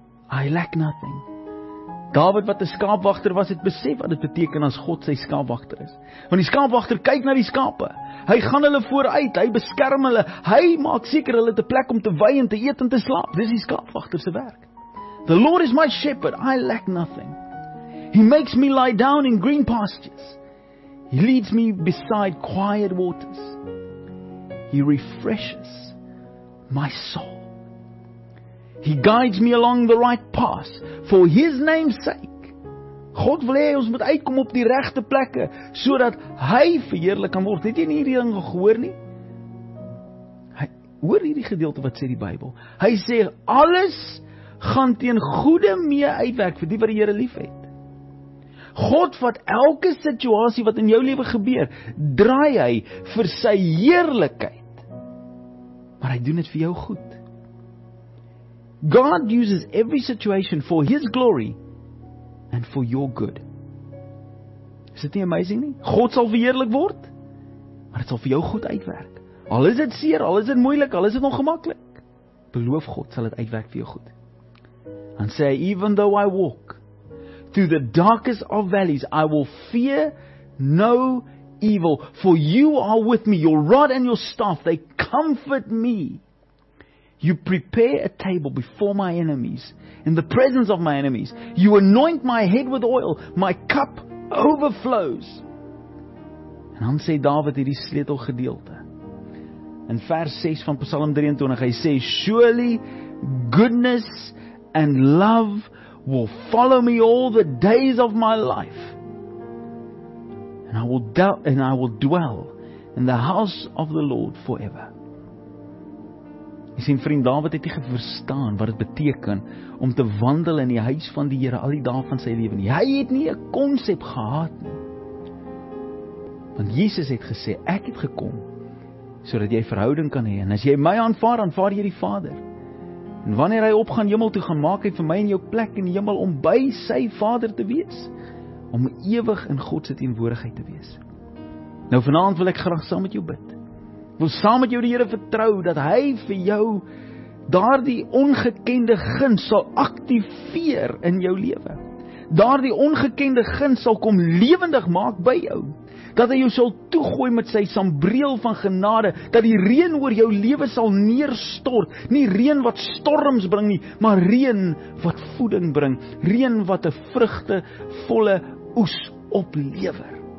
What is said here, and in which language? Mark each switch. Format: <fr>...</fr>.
<en>I lack nothing."</en> <af>Dawid wat 'n skaapwagter was, het besef wat dit beteken as God sy skaapwagter is. Want die skaapwagter kyk na die skape. Hy gaan hulle vooruit, hy beskerm hulle, hy maak seker hulle het 'n plek om te wei en te eet en te slaap. Dis die skaapwagter se werk.</af> <en>The Lord is my shepherd, I lack nothing. He makes me lie down in green pastures. He leads me beside quiet waters. He refreshes my soul. He guides me along the right path for his name's sake.</en> <af>God wil hê ons moet uitkom op die regte plekke sodat hy verheerlik kan word. Het jy nie hierdie ding gehoor nie? Hoor hierdie gedeelte wat sê die Bybel. Hy sê alles gaan teen goede mee uitwerk vir die wat die Here liefhet. God vat elke situasie wat in jou lewe gebeur, draai hy vir sy heerlikheid. Maar hy doen dit vir jou goed.</af> <en>God uses every situation for his glory and for your good.</en> <af>Is dit nie amazing nie? God sal verheerlik word, maar dit sal vir jou goed uitwerk. Al is dit seer, al is dit moeilik, al is dit ongemaklik. Beloof God sal dit uitwerk vir jou goed.</af> <en>And say, even though I walk through the darkest of valleys, I will fear no evil. For you are with me, your rod and your staff, they comfort me. You prepare a table before my enemies, in the presence of my enemies. You anoint my head with oil, my cup overflows.</en> <af>En dan sê David hierdie sleutelgedeelte. In vers 6 van Psalm 23, hy sê,</af> <en>surely goodness and love will follow me all the days of my life. And I will dwell in the house of the Lord forever.</en> <af>Jy sien vriend, Dawid het nie geverstaan wat het beteken om te wandel in die huis van die Here al die dae van sy lewe nie. Hy het nie 'n konsep gehad nie. Want Jesus het gesê, ek het gekom sodat jy verhouding kan hê. En as jy my aanvaar, aanvaar jy die Vader. En wanneer hy opgaan hemel toe, gaan maak hy vir my en jou plek in die hemel om by sy Vader te wees. Om ewig in God se teenwoordigheid te wees. Nou vanavond wil ek graag saam met jou bid. Wil saam met jou die Here vertrou dat hy vir jou daardie ongekende guns sal aktiveer in jou lewe. Daardie ongekende guns sal kom lewendig maak by jou. Dat hy jou sal toegooi met sy sambreel van genade, dat die reën oor jou lewe sal neerstort, nie reën wat storms bring nie, maar reën wat voeding bring, reën wat 'n vrugtevolle oes oplewer.</af>